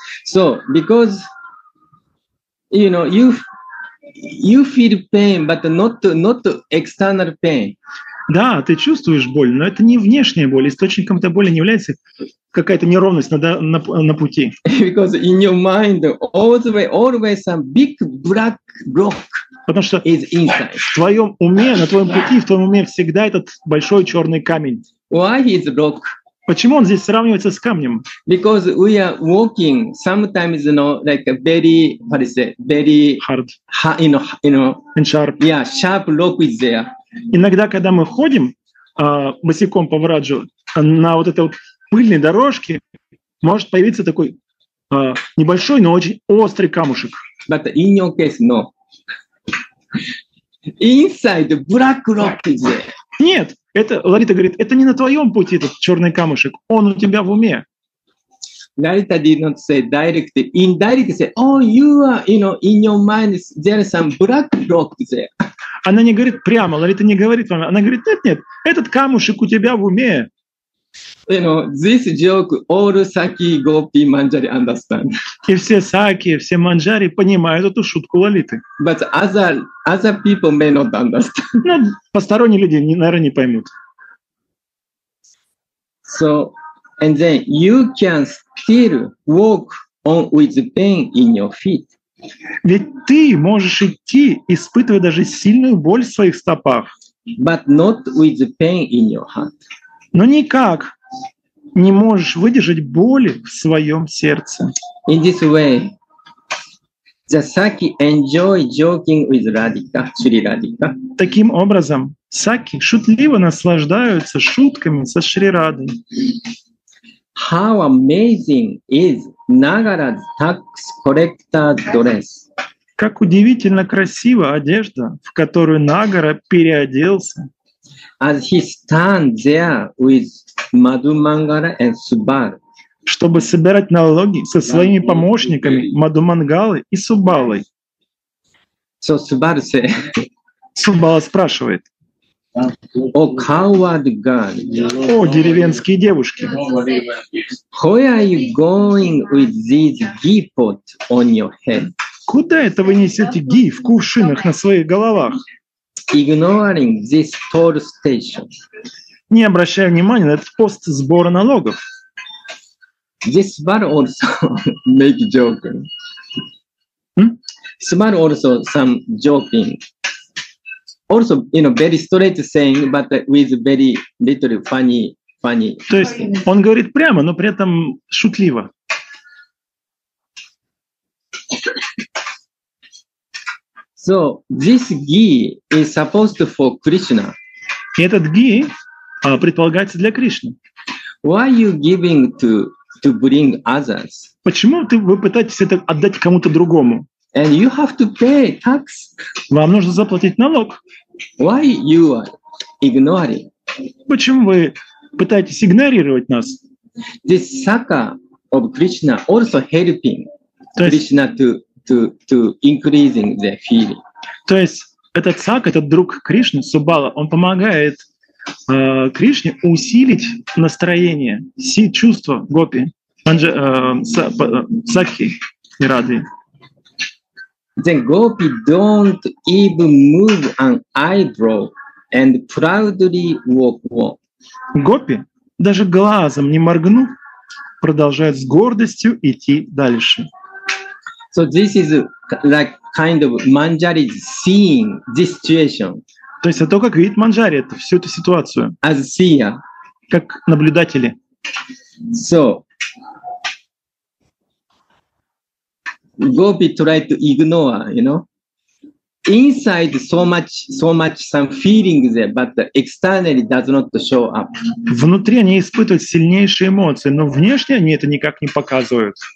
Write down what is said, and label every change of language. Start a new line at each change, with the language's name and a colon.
English: So because you know you feel pain, but not external pain.
Russian: Да, ты чувствуешь боль, но это не внешняя боль. Источником этой боли не является какая-то неровность на пути.
English: Because in your mind always some big black rock.
Russian: Потому что в твоем уме, на твоем пути, в твоем уме всегда этот большой черный камень.
English: Why is rock?
Russian: Почему он здесь сравнивается с камнем?
English: Because we are walking sometimes, you know, like very, how do you say, very hard, you know, and sharp. Yeah, sharp rock is there.
Russian: Иногда, когда мы ходим босиком по враджу на вот этой вот пыльной дорожке, может появиться такой небольшой, но очень острый камушек.
English: But in your case, no. Inside black rock is there.
Russian: Нет, это Лолита говорит, это не на твоем пути этот черный камушек, он у тебя в уме.
English: Лолита did not say directly, indirectly say, oh, you are, you know, in your mind there is some black rock there.
Russian: Она не говорит прямо, Лолита не говорит вам, она говорит, нет, нет, этот камушек у тебя в уме.
English: You know, this joke all Saki, Gopi, Manjari understand.
Russian: И все Саки, все Манджари понимают эту шутку Лолиты.
English: But other people may not understand.
Russian: Но посторонние люди, наверное, не поймут.
English: So, and then you can still walk on with pain in your feet.
Russian: Ведь ты можешь идти, испытывая даже сильную боль в своих стопах.
English: But not with pain in your heart.
Russian: Но никак не можешь выдержать боли в своем сердце.
English: In this way, the Saki enjoy joking with Radhika, Shri Radhika.
Russian: Таким образом, Саки шутливо наслаждаются шутками со Шри Радой.
English: How amazing is Nagara's tax collector dress?
Russian: Как удивительно красива одежда, в которую Нагара переоделся.
English: As he stands there with Madhu Mangala and Subal.
Russian: Чтобы собирать налоги со своими помощниками Madhu Mangala и Subalой.
English: So Subal says.
Russian: Subala спрашивает.
English: О, coward girl.
Russian: О, деревенские девушки.
English: Where are you going with this ghee pot on your head?
Russian: Куда это вы несете ги в кувшинах на своих головах?
English: Ignoring this toll station.
Russian: не обращая внимания на этот пост сбора налогов.
English: This bar also make joke. This bar also some joking. Also, you know, very straight saying, but with very little funny, funny.
Russian: То есть он говорит прямо, но при этом шутливо.
English: So this ghee is supposed for Krishna.
Russian: И этот ghee предполагается для Кришны.
English: Why you giving to bring others?
Russian: Почему вы пытаетесь это отдать кому-то другому?
English: And you have to pay tax.
Russian: Вам нужно заплатить налог.
English: Why you are ignoring?
Russian: Почему вы пытаетесь игнорировать нас?
English: This sakha of Krishna also helping Krishna to increasing the feeling.
Russian: То есть этот сакха, этот друг Кришны, Суббала, он помогает Кришне усилить настроение, си чувства гопи, сакхи и радхи.
English: Then gopi don't even move an eyebrow and proudly walk on.
Russian: Гопи даже глазом не моргнув, продолжает с гордостью идти дальше.
English: So this is like kind of Manjari seeing this situation.
Russian: То есть это то, как видит Манджари это всю эту ситуацию.
English: As seer.
Russian: Как наблюдатели.
English: So Gopi try to ignore, you know. Inside so much some feeling there, but externally does not show up.
Russian: Внутри они испытывают сильнейшие эмоции, но внешне они это никак не показывают.